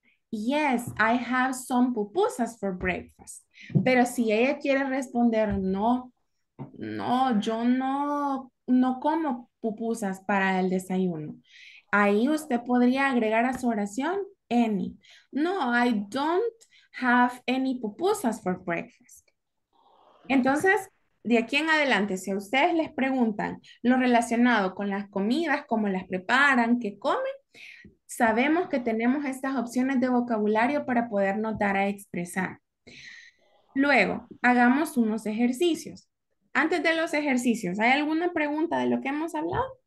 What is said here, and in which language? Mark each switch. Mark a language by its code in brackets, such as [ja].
[en] Yes, I have some pupusas for breakfast. [es] Pero si ella quiere responder no, no, yo no como pupusas para el desayuno. Ahí usted podría agregar a su oración any. [en] No, I don't have any pupusas for breakfast. [es] Entonces, De aquí en adelante, si a ustedes les preguntan lo relacionado con las comidas, cómo las preparan, qué comen, sabemos que tenemos estas opciones de vocabulario para podernos dar a expresar. Luego, hagamos unos ejercicios. Antes de los ejercicios, ¿hay alguna pregunta de lo que hemos hablado?